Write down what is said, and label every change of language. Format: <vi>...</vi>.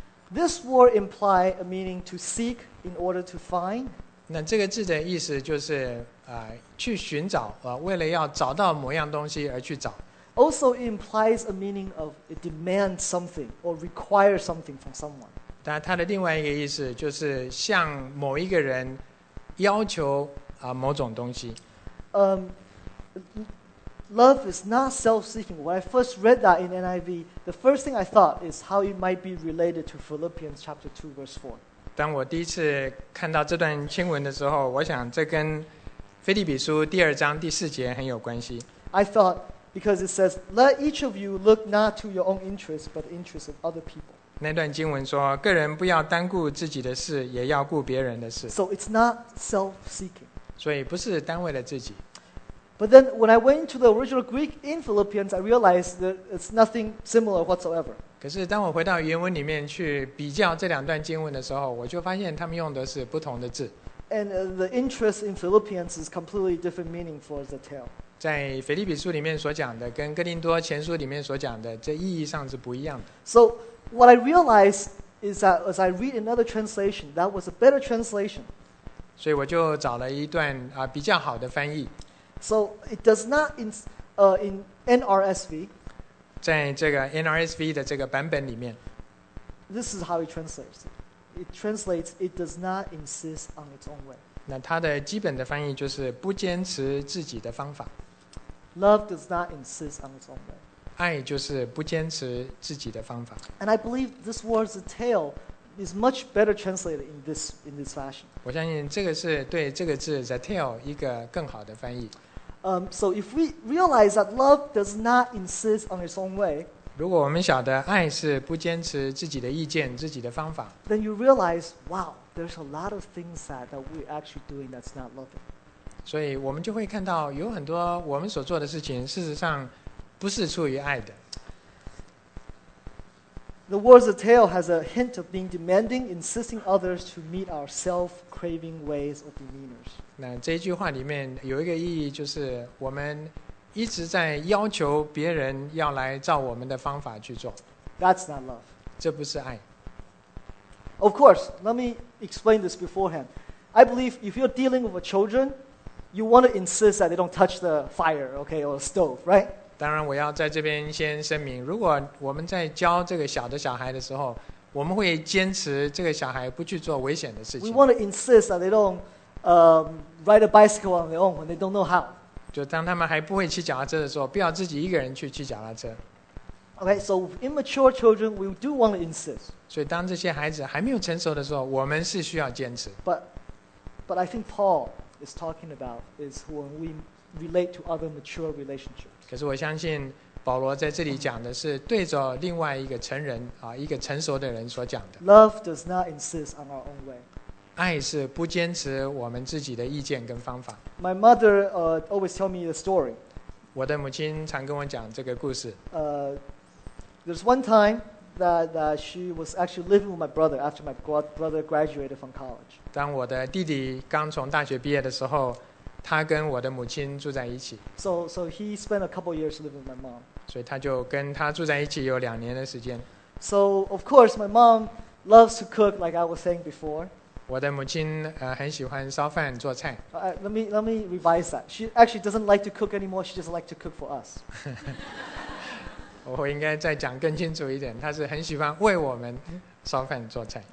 <en>This word implies a meaning to seek in order to find.</en> <zh>那这个字的意思就是去寻找为了要找到某样东西而去找。</zh> <en>Also, it implies a meaning of demand something or require something from someone.</en> <zh>但它的另外一个意思就是向某一个人要求某种东西。</zh> <en>Love is not self-seeking. When I first read that in NIV, the first thing I thought is how it might be related to Philippians chapter 2, verse 4.</en> <zh>当我第一次看到这段经文的时候，我想这跟腓立比书第二章第四节很有关系。</zh> <en>I thought, because it says, let each of you look not to your own interests, but the interests of other people.</en> <zh>那段经文说，个人不要单顾自己的事，也要顾别人的事。</zh> <en>So it's not self-seeking.</en> <zh>所以不是单为了自己。</zh> <en>But then when I went to the original Greek in Philippians, I realized that it's nothing similar whatsoever.</en> <zh>可是当我回到原文里面去比较这两段经文的时候，我就发现他们用的是不同的字。</zh> <en>And the interest in Philippians is completely different meaning for the tail.</en> <zh>在腓立比书里面所讲的跟哥林多前书里面所讲的这意义上是不一样的。</zh> <en>So what I realized is that as I read another translation, that was a better translation.</en> <zh>所以我就找了一段比较好的翻译。</zh> <en>So it does not in NRSV.</en> <zh>在这个 NRSV 的这个版本里面</zh> <en>，This is how it translates. It translates it does not insist on its own way.</en> <zh>那它的基本的翻译就是不坚持自己的方法。</zh> <en>Love does not insist on its own way.</en> <zh>爱就是不坚持自己的方法。</zh> <en>And I believe this word is a tale. Is much better translated in this fashion.</en> <zh>我相信这个是对这个字 zeteo 一个更好的翻译。</zh> <en>So if we realize that love does not insist on its own way,</en> <zh>如果我们晓得爱是不坚持自己的意见、自己的方法</zh> <en>，then you realize, wow, there's a lot of things that we're actually doing that's not loving.</en> <zh>所以我们就会看到有很多我们所做的事情，事实上不是出于爱的。</zh> <en>The word zeteo has a hint of being demanding, insisting others to meet our self-craving ways or demeanors.</en> <zh>那这句话里面有一个意义，就是我们一直在要求别人要来照我们的方法去做。</zh> <en>That's not love.</en> <zh>这不是爱。</zh> <en>Of course, let me explain this beforehand. I believe if you're dealing with children, you want to insist that they don't touch the fire, okay, or the stove, right?</en> <zh>当然我要在这边先声明，如果我们在教这个小的小孩的时候，我们会坚持这个小孩不去做危险的事情。</zh> <en>We want to insist that they don't ride a bicycle on their own when they don't know how.</en> <zh>就当他们还不会骑脚踏车的时候，不要自己一个人去骑脚踏车。</zh> <en>Okay, so immature children, we do want to insist.</en> <zh>所以当这些孩子还没有成熟的时候，我们是需要坚持。</zh> <en>But I think Paul is talking about is when we relate to other mature relationships.</en> <zh>可是我相信保罗在这里讲的是对着另外一个成人一个成熟的人所讲的。</zh> <en>Love does not insist on our own way.</en> <zh>爱是不坚持我们自己的意见跟方法。</zh> <en>My mother always tell me a story.</en> <zh>我的母亲常跟我讲这个故事。</zh> <en>There's one time that she was actually living with my brother after my brother graduated from college.</en> <zh>当我的弟弟刚从大学毕业的时候。他跟我的母亲住在一起。</zh> <en>So he spent a couple years living with my mom.</en> <zh>所以他就跟他住在一起有两年的时间。</zh> <en>So of course my mom loves to cook like I was saying before.</en> <zh>我的母亲很喜欢烧饭做菜。</zh> <en>Let me revise that. She actually doesn't like to cook anymore. She just like to cook for us.</en> <zh>我应该再讲更清楚一点。她是很喜欢为我们烧饭做菜。</zh>